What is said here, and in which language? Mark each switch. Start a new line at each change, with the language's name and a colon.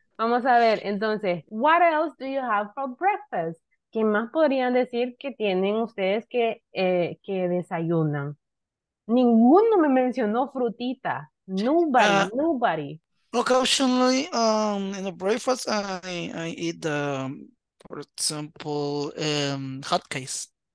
Spanish: Vamos a ver, entonces,
English: what else do you have for breakfast?
Spanish: ¿Qué más podrían decir que tienen ustedes que desayunan? Ninguno me mencionó frutita.
English: Nobody, nobody. Occasionally, in the breakfast, I eat, for example, hotcakes.